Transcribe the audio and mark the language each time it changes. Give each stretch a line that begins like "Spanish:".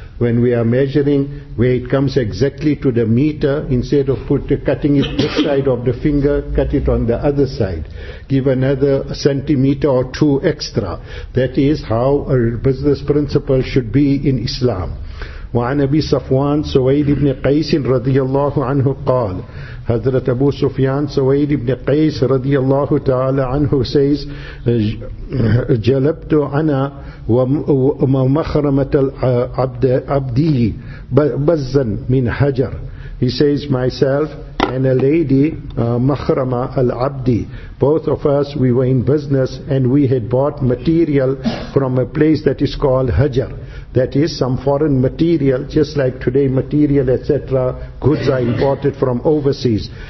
English: When we are measuring, where it comes exactly to the meter, instead of cutting it this side of the finger, cut it on the other side. Give another centimeter or two extra. That is how a business principle should be in Islam.
Arabic: وعن أبي صفوان سويد بن قيس رضي الله عنه قال حضرت أبو سفيان سويد بن قيس رضي الله تعالى عنه says جلبت أنا ومخرمة عبدي بزا من حجر.
English: He says, myself and a lady, Makhrama al-Abdi, both of us, we were in business and we had bought material from a place that is called Hajar. That is some foreign material, just like today material, etc., goods are imported from overseas.